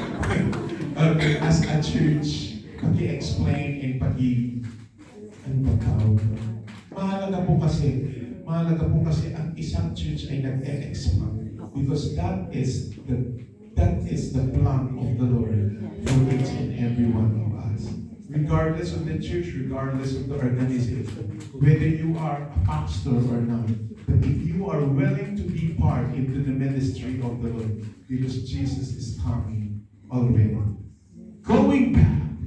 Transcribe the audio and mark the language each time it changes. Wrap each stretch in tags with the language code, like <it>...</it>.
<en>Okay, as a church, paki-explain and paki-anbakaw.</en> <tl>Mahalaga po kasi ang isang church ay nag-e-expand.</tl> <en>Because that is the plan of the Lord for each and every one of us. Regardless of the church, regardless of the organization, whether you are a pastor or not, but if you are willing to be part into the ministry of the Lord, because Jesus is coming already. Going back.</en>